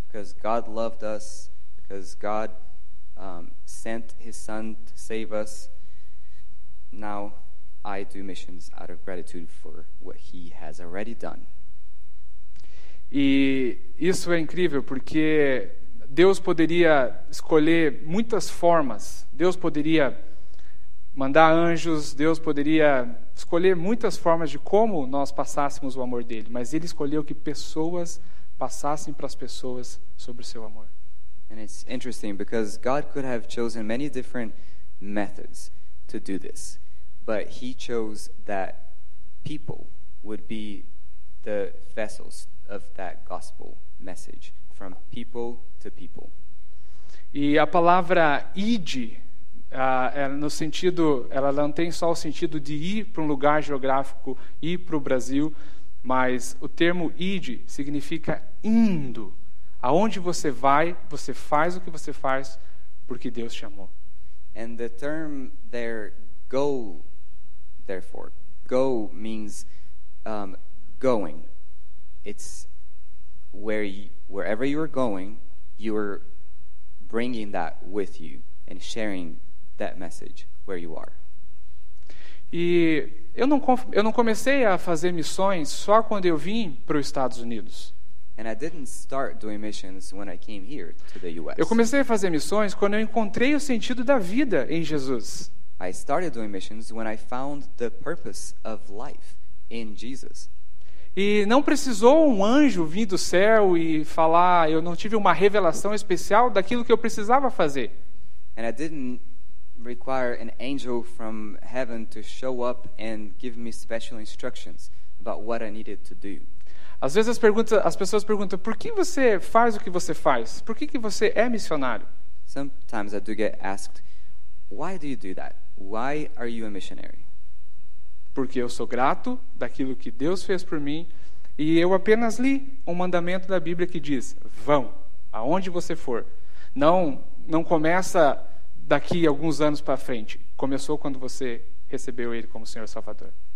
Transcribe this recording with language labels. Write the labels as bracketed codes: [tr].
[en] Because God loved us, because God sent His Son to save us, now I do missions out of gratitude for what He has already done. [pt] E isso é incrível porque Deus poderia escolher muitas formas. Deus poderia mandar anjos, Deus poderia escolher muitas formas de como nós passássemos o amor dele, mas ele escolheu que pessoas passassem para as pessoas sobre o seu amor. [en] And it's interesting because God could have chosen many different methods to do this. But he chose that people would be the vessels of that gospel message from people to people. [pt] E a palavra ide, no sentido, ela não tem só o sentido de ir para um lugar geográfico, ir para o Brasil, mas o termo ide significa indo. Aonde você vai, você faz o que você faz porque Deus te amou. [en] And the term there, go. Therefore, go means going. It's wherever you are going, you are bringing that with you and sharing that message where you are. [pt] E eu não comecei a fazer missões só quando eu vim para os Estados Unidos. [en] And I didn't start doing missions when I came here to the U.S. [pt] Eu comecei a fazer missões quando eu encontrei o sentido da vida em Jesus. [en] I started doing missions when I found the purpose of life in Jesus. [pt] E não precisou um anjo vir do céu e falar, eu não tive uma revelação especial daquilo que eu precisava fazer. [en] And I didn't require an angel from heaven to show up and give me special instructions about what I needed to do. [pt] Às vezes as pessoas perguntam, por que você faz o que você faz? Por que você é missionário? [en] Sometimes I do get asked, why do you do that? Why are you a missionary? [pt] Porque eu sou grato daquilo que Deus fez por mim e eu apenas li um mandamento da Bíblia que diz: vão aonde você for. Não começa daqui alguns anos para frente. Começou quando você recebeu ele como Senhor Salvador.